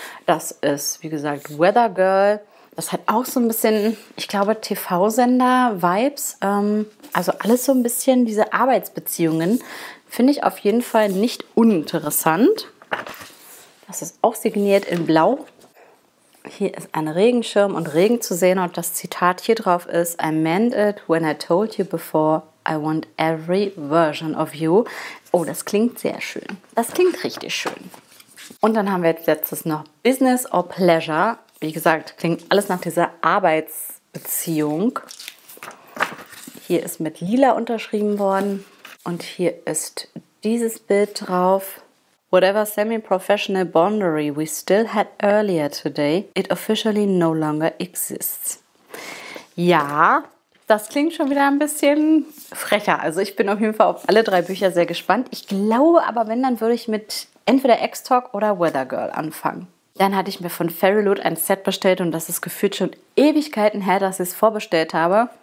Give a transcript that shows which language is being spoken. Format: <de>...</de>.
<de>Das ist, wie gesagt, Weather Girl. Das hat auch so ein bisschen, ich glaube, TV-Sender-Vibes. Also alles so ein bisschen diese Arbeitsbeziehungen. Finde ich auf jeden Fall nicht uninteressant. Das ist auch signiert in Blau. Hier ist ein Regenschirm und Regen zu sehen. Und das Zitat hier drauf ist,</de> <en>I meant it when I told you before, I want every version of you.</en> <de>Oh, das klingt sehr schön. Das klingt richtig schön. Und dann haben wir jetzt letztes noch Business or Pleasure. Wie gesagt, klingt alles nach dieser Arbeitsbeziehung. Hier ist mit Lila unterschrieben worden. Und hier ist dieses Bild drauf.</de> <en>Whatever semi-professional boundary we still had earlier today, it officially no longer exists.</en> <de>Ja, das klingt schon wieder ein bisschen frecher. Also ich bin auf jeden Fall auf alle drei Bücher sehr gespannt. Ich glaube aber, wenn, dann würde ich mit entweder X-Talk oder Weather Girl anfangen. Dann hatte ich mir von Fairyloot ein Set bestellt und das ist gefühlt schon Ewigkeiten her, dass ich es vorbestellt habe.</de>